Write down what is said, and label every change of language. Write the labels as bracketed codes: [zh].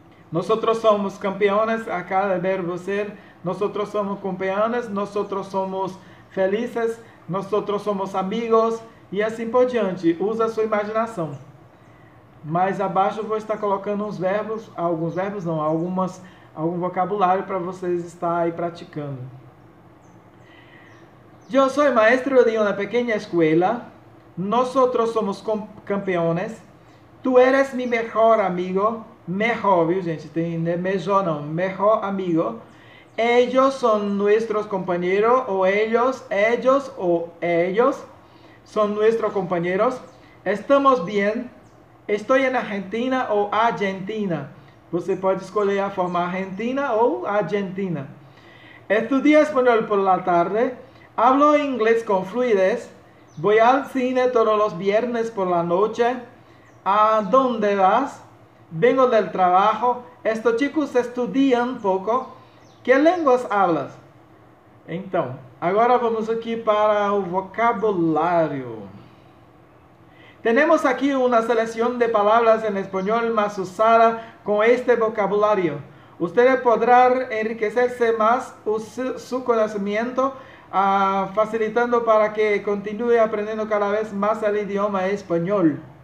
[es] Nosotros somos campeones, acá de ver você. Nosotros somos campeones, nosotros somos felices, nosotros somos amigos, [pt] e assim por diante. Usa a sua imaginação. Mais abaixo eu vou estar colocando uns verbos, alguns verbos não, algum vocabulário para vocês estarem aí praticando. [es] Yo soy maestro de una pequeña escuela. Nosotros somos campeones. Tu eres mi mejor amigo, mejor, [pt] viu gente? Tem mejor não, mejor amigo. [es] Ellos son nuestros compañeros, ellos son nuestros compañeros. Estamos bien. Estoy en Argentina o Argentina. [pt] Você pode escolher a forma Argentina ou Argentina. [es] Estudié español por la tarde. Hablo inglés con fluidez. Voy al cine todos los viernes por la noche. ¿A dónde vas? Vengo del trabajo. Estos chicos estudian poco. ¿Qué lenguas hablas? [pt] Então, agora vamos aqui para o vocabulário. [es] Tenemos aquí una selección de palabras en español más usada con este vocabulario. Ustedes podrán enriquecerse más su conocimiento, facilitando para que continúe aprendiendo cada vez más el idioma español.